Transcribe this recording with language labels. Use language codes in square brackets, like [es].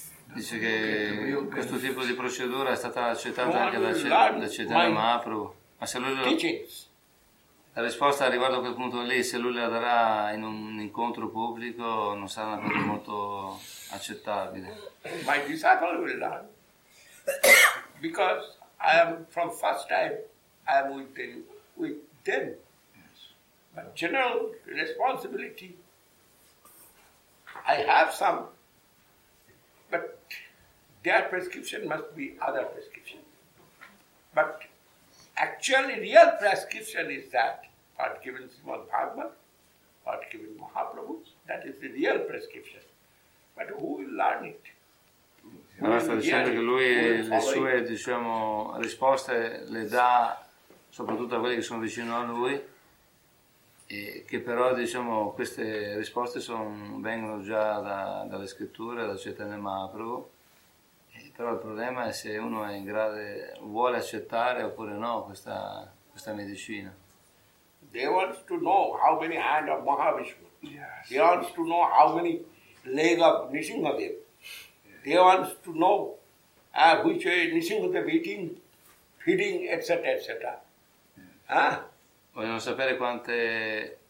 [it] Dice che questo tipo di procedura è stata accettata anche da Chaitanya Mahaprabhu. Ma se lui teachings. La risposta riguardo a quel punto lì, se lui la darà in un incontro pubblico, non sarà una cosa molto accettabile. [en] My disciple will learn, because I am from first time, I am with them. But general responsibility, I have some, but their prescription must be other prescription. But actually real prescription is that, what given Srimad Bhagavat, what given Mahaprabhu, that is the real prescription. But who will learn it? [it] Maharaj sta dicendo che lui le sue diciamo risposte le dà soprattutto a quelli che sono vicino a lui, e che però diciamo queste risposte vengono già dalle scritture, da Chaitanya Mahaprabhu. Però il problema è se uno è in grado, vuole accettare oppure no questa medicina. [en] They want to know how many hands of Mahavishnu. Yes. They want to know how many legs of Nrisimhadev. Yes. They want to know which way Nrisimhadev eating, feeding, etc. [it] Vogliono sapere quante